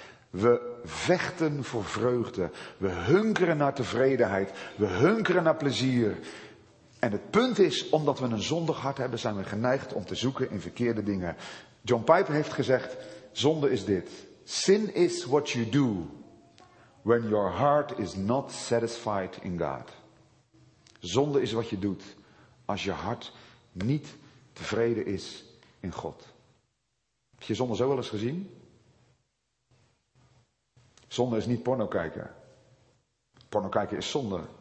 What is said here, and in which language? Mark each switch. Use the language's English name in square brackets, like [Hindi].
[Dutch] We vechten voor vreugde. We hunkeren naar tevredenheid. We hunkeren naar plezier. En het punt is, omdat we een zondig hart hebben, zijn we geneigd om te zoeken in verkeerde dingen. John Piper heeft gezegd: zonde is dit. [English] Sin is what you do when your heart is not satisfied in God. [Dutch] Zonde is wat je doet als je hart niet tevreden is in God. Heb je zonde zo wel eens gezien? Zonde is niet porno kijken. Porno kijken is zonde.